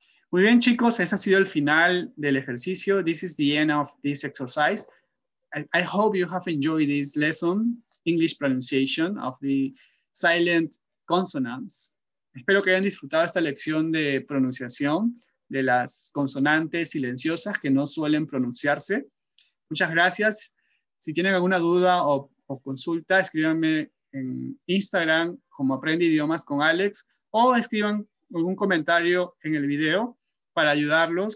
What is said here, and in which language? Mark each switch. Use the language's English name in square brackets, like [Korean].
[Spanish] Muy bien, chicos, ese ha sido el final del ejercicio. [English] This is the end of this exercise. I hope you have enjoyed this lesson, English pronunciation of the silent consonants. [Spanish] Espero que hayan disfrutado esta lección de pronunciación de las consonantes silenciosas que no suelen pronunciarse. Muchas gracias. Si tienen alguna duda o consulta, escríbanme en Instagram como Aprende Idiomas con Alex o escriban algún comentario en el video para ayudarlos.